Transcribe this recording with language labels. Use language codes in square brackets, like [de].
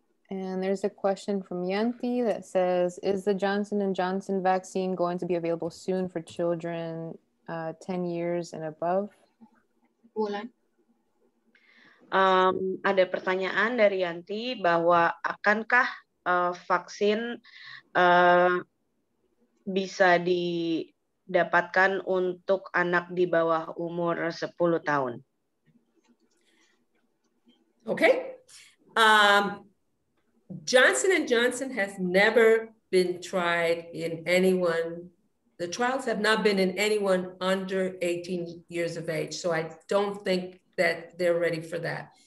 [en] And there's a question from Yanti that says, is the Johnson & Johnson vaccine going to be available soon for children 10 years and above? [id] Ada pertanyaan dari Yanti bahwa akankah vaksin bisa didapatkan untuk anak di bawah umur 10 tahun? [en] Okay. Johnson & Johnson has never been tried in anyone. The trials have not been in anyone under 18 years of age, so I don't think that they're ready for that.